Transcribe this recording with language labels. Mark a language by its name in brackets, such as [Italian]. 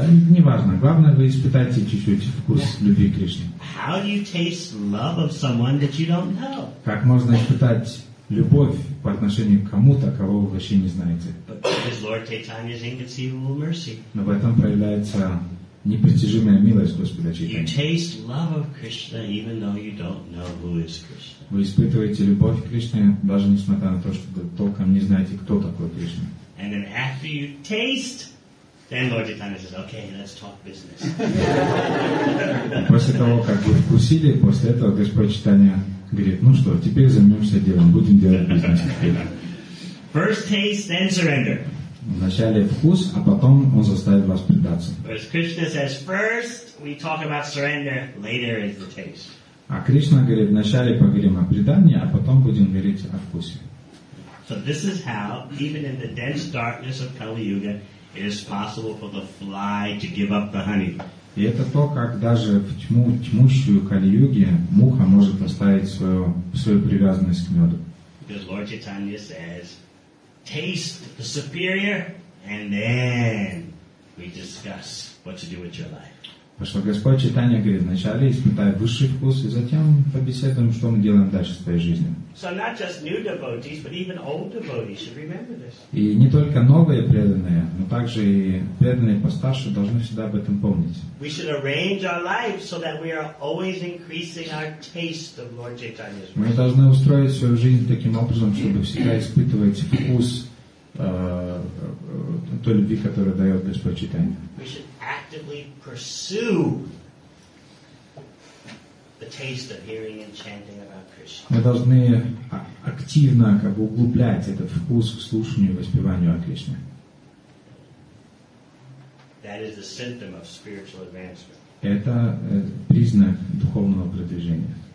[Russian] Не важно. Главное, вы испытайте чуть-чуть вкус любви к Кришне. [English] How do you taste love of someone that you don't know? [Russian] Как можно испытать любовь по отношению к кому-то, кого вы вообще не знаете? [English] But because Lord Chaitanya's inconceivable mercy. [Russian] Но в этом проявляется непостижимая милость Господа Чайтаньи. [English] You taste love of Krishna even though you don't know who is Krishna. [Russian] Вы испытываете любовь к Кришне, даже несмотря на то, что вы толком не знаете, кто такой Кришна. [English] And then after you taste. Then Lord Chaitanya says, "Okay, let's talk business." [Russian] После того как вы вкусили, после этого Господь Чайтанья говорит, ну что, теперь займемся делом, будем делать бизнес. [English] First taste, then surrender. [Russian] Вначале вкус, а потом он заставит вас предаться. [English] Whereas Krishna says, first we talk about surrender, later is the taste. [Russian] А Кришна говорит, вначале поговорим о предании, а потом будем говорить о вкусе. [English] So this is how, even in the dense darkness of Kali Yuga. It is possible for the fly to give up the honey. [Russian] И это то, как даже в тьмущую Кали-Юге муха может оставить свою привязанность к меду. [English] Because Lord Chaitanya says, taste the superior, and then we discuss what to do with your life. [Russian] Потому что Господь Чайтанья говорит, вначале испытай высший вкус, и затем побеседуем, что мы делаем дальше с твоей жизнью. [English] So not just new devotees, but even old devotees should remember this. [Russian] И не только новые преданные, но также и преданные постарше должны всегда об этом помнить. [English] We should arrange our lives so that we are always increasing our taste of Lord Chaitanya's mercy. [Russian] Мы должны устроить свою жизнь таким образом, чтобы всегда испытывать вкус той любви, которую дает Господь Чайтанья. [English] We should actively pursue the taste of hearing and chanting about Krishna. [Russian] Мы должны активно как бы углублять этот вкус к слушанию и воспеванию о Кришне. [English] That is a symptom of spiritual advancement. [Russian] Это признак духовного продвижения.